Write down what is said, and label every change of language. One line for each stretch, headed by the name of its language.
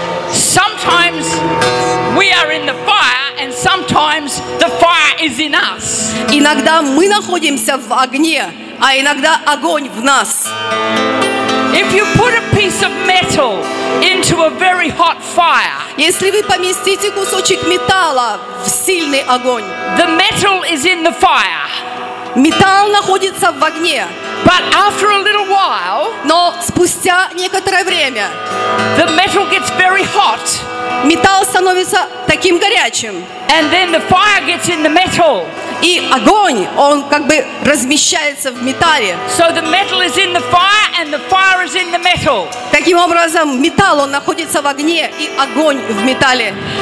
English: Sometimes we are in the fire, and sometimes the fire is in us.
Russian: Иногда мы находимся в огне, а иногда огонь в нас.
English: If you put a piece of metal into a very hot fire,
Russian: если вы поместите кусочек металла в сильный огонь,
English: the metal is in the fire.
Russian: Металл находится в огне.
English: But after a little while,
Russian: но спустя некоторое время,
English: the metal gets very hot.
Russian: Металл становится таким горячим.
English: And then the fire gets in the metal.
Russian: И огонь, он как бы размещается в металле.
English: So the metal is in the fire and the fire is in the metal.
Russian: Таким образом, металл, он находится в огне и огонь в металле.